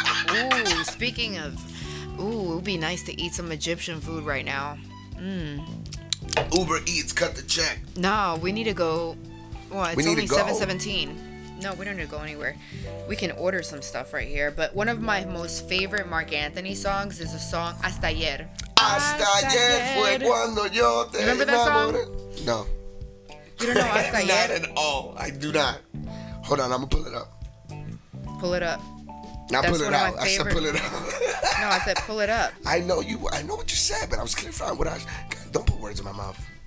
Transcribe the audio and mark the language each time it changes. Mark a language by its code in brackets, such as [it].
[en] Ooh, speaking of, ooh, it would be nice to eat some Egyptian food right now. Uber Eats, cut the check. No, we need to go. Well, it's only 7:17. No, we don't need to go anywhere. We can order some stuff right here. But one of my most favorite Marc Anthony songs is a song, Hasta Ayer. [es] Hasta Ayer fue cuando yo te enamoré. [en] Remember that song? No. You don't know Hasta Ayer? Not at all. I do not. Hold on, I'm going to pull it up. Pull it up. Not pull it out. I said pull it up. No, I said pull it up. I know you. I know what you said, but I was clarifying what I was. Don't put words in my mouth.